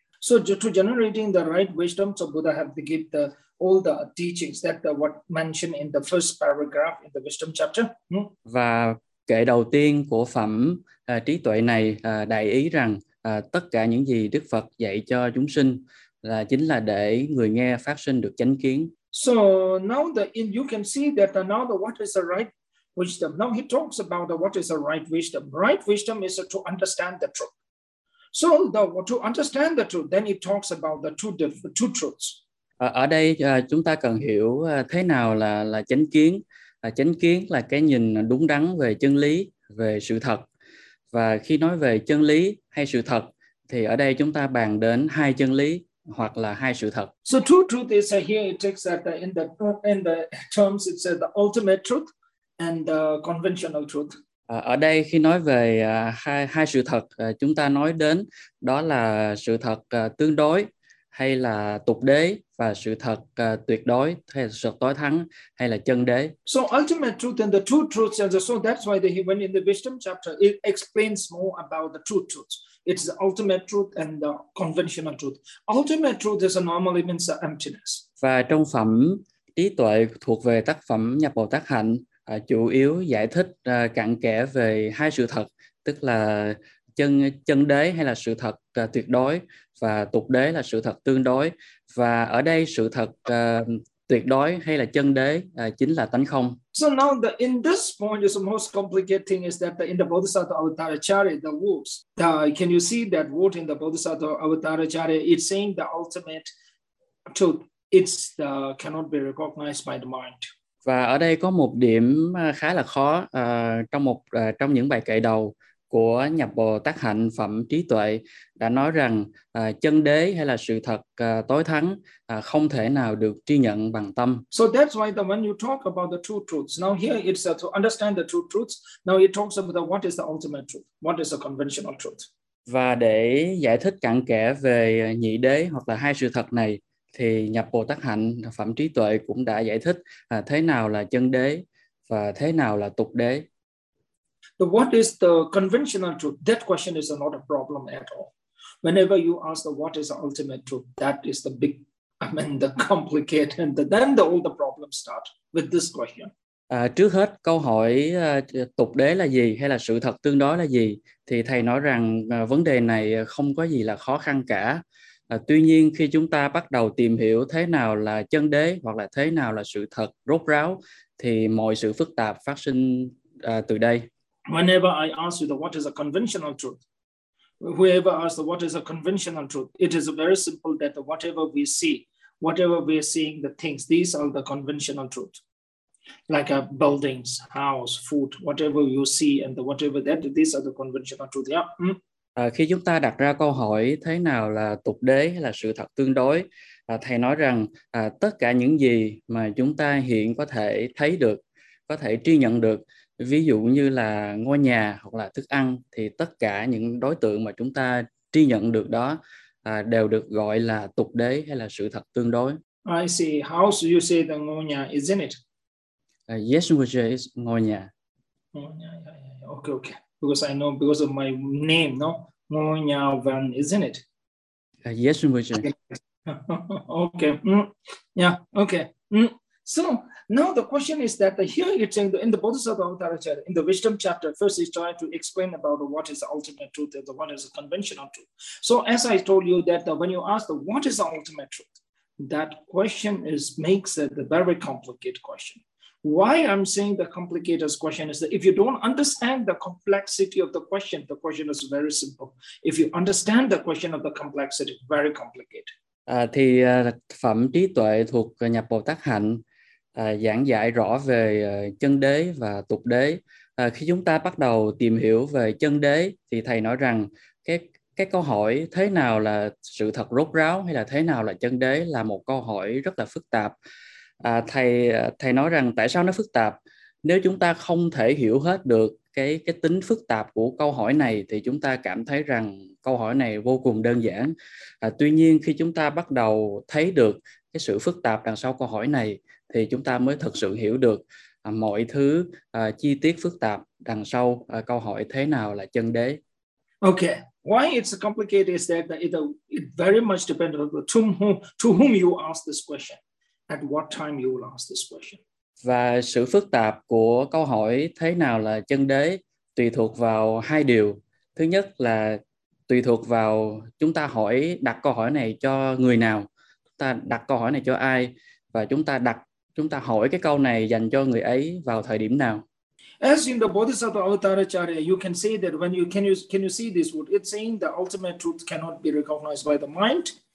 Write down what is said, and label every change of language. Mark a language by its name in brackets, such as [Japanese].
[English] So to generating the right wisdom, so Buddha have to give the all the teachings that the what mentioned in the first paragraph in the wisdom chapter. [Vietnamese] Và kệ đầu tiên của phẩm trí tuệ này đại ý rằng tất cả những gì Đức Phật dạy cho chúng sinh là chính là để người nghe phát sinh được chánh kiến. [English] So now the you can see that now the what is the right wisdom. Now he talks about the, what is the right wisdom. Right wisdom is to understand the truth. So to understand the truth, then he talks about the two truths. [Vietnamese] Ở đây chúng ta cần hiểu thế nào là chánh kiến. Chánh kiến là cái nhìn đúng đắn về chân lý, về sự thật. Và khi nói về chân lý hay sự thật, thì ở đây chúng ta bàn đến hai chân lý hoặc là hai sự thật. [English] So two truths is here it takes that in the terms it says the ultimate truth and the conventional truth. [Vietnamese] Ở đây khi nói về hai sự thật, chúng ta nói đến đó là sự thật tương đối hay là tục đế, và sự thật tuyệt đối hay là sự thật tối thắng hay là chân đế. [English] So ultimate truth and the two truths, and so that's why he went in the wisdom chapter, it explains more about the two truths. It's the ultimate truth and the conventional truth. Ultimate truth is a normally means the emptiness. [Vietnamese] Và trong phẩm trí tuệ thuộc về tác phẩm Nhập Bồ Tát Hạnh, chủ yếu giải thích cặn kẽ về hai sự thật, tức là chân đế hay là sự thật tuyệt đối, và tục đế là sự thật tương đối. Và ở đây sự thật tuyệt đối hay là chân đế chính là tánh không. [English] So now in this point is the most complicated thing is that in the Bodhisattva Avatarachari, the words, can you see that word in the Bodhisattva Avatarachari, it's saying the ultimate truth, it's the cannot be recognized by the mind. [Vietnamese] Và ở đây có một điểm khá là khó trong những bài kệ đầu của Nhập Bồ Tát Hạnh phẩm trí tuệ đã nói rằng chân đế hay là sự thật tối thắng không thể nào được tri nhận bằng tâm. [English] So that's why the when you talk about the two truths, now here it's to understand the two truths, now it talks about the, what is the ultimate truth, what is the conventional truth. [Vietnamese] Và để giải thích cặn kẽ về nhị đế hoặc là hai sự thật này, thì Nhập Bồ Tát Hạnh phẩm trí tuệ cũng đã giải thích thế nào là chân đế và thế nào là tục đế. [English] So what is the conventional truth? That question is not a problem at all. Whenever you ask the what is the ultimate truth, that is the big, the complicated, and then all the problems start with this question. [Vietnamese] Trước hết, câu hỏi tục đế là gì hay là sự thật tương đối là gì, thì thầy nói rằng vấn đề này không có gì là khó khăn cả. Tuy nhiên, khi chúng ta bắt đầu tìm hiểu thế nào là chân đế hoặc là thế nào là sự thật rốt ráo, thì mọi sự phức tạp phát sinh từ đây. [English] Whenever I ask you the what is a conventional truth, whoever asks the what is a conventional truth, it is very simple that whatever we see, whatever we are seeing the things, these are the conventional truth. Like a buildings, house, food, whatever you see and the whatever that, these are the conventional truth. Yeah. [Vietnamese] Khi chúng ta đặt ra câu hỏi thế nào là tục đế hay là sự thật tương đối, thầy nói rằng tất cả những gì mà chúng ta hiện có thể thấy được, có thể tri nhận được, ví dụ như là ngôi nhà hoặc là thức ăn, thì tất cả những đối tượng mà chúng ta tri nhận được đó đều được gọi là tục đế hay là sự thật tương đối. [English] I see. House, you say the [Vietnamese] ngôi nhà, [English] isn't it? Yes, Mr. Is [Vietnamese] ngôi nhà. Ngôi nhà, [English] yeah. Okay, okay. Because I know, because of my name, no? [Vietnamese] Ngôi nhà [English] van, isn't it? Yes, Mr. Okay. Yeah, okay. So Now the question is that here it's in the Bodhisattva Avataracharya, in the Wisdom chapter, first he's trying to explain about what is the ultimate truth and what is the conventional truth. So as I told you that when you ask the what is the ultimate truth, that question makes it a very complicated question. Why I'm saying the complicated question is that if you don't understand the complexity of the question is very simple. If you understand the question of the complexity, very complicated. [Vietnamese] Thì phẩm trí tuệ thuộc nhập Bồ Tát hạnh giảng dạy rõ về chân đế và tục đế. Khi chúng ta bắt đầu tìm hiểu về chân đế thì thầy nói rằng cái câu hỏi thế nào là sự thật rốt ráo hay là thế nào là chân đế là một câu hỏi rất là phức tạp. Thầy nói rằng tại sao nó phức tạp? Nếu chúng ta không thể hiểu hết được cái tính phức tạp của câu hỏi này thì chúng ta cảm thấy rằng câu hỏi này vô cùng đơn giản. Tuy nhiên khi chúng ta bắt đầu thấy được cái sự phức tạp đằng sau câu hỏi này thì chúng ta mới thực sự hiểu được mọi thứ chi tiết phức tạp đằng sau câu hỏi thế nào là chân đế. [English] Okay. Why it's complicated is that it very much depends on to whom you ask this question. At what time you will ask this question? [Vietnamese] Và sự phức tạp của câu hỏi thế nào là chân đế tùy thuộc vào hai điều. Thứ nhất là tùy thuộc vào chúng ta hỏi đặt câu hỏi này cho người nào, chúng ta đặt câu hỏi này cho ai và chúng ta hỏi cái câu này dành cho người ấy vào thời điểm nào. [English] As in the Bodhisattva Avataracharya, you can say that can you see this word? It's saying the ultimate truth cannot be recognized by the mind.